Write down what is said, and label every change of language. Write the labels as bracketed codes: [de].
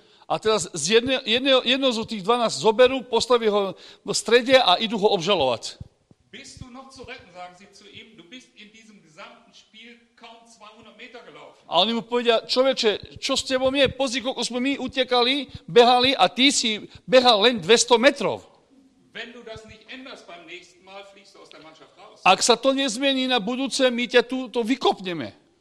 [sk] A teraz jedno z tých 12 zoberú, postaví ho v strede a idú ho obžalovať. [de] Bist du noch zu retten, sagen sie zu ihm, du bist in diesem gesamten Spiel kaum 200 Meter gelaufen. [sk] A oni mu povedia, človeče, čo s tebou je, pozri, koľko sme my utekali, behali a ty si behal len 200 metrov. [de] Wenn du das nicht änderst beim nächsten Mal, fliegst du aus der Mannschaft. [sk] Ak sa to nezmení na budúce, my ťa tu to vykopneme.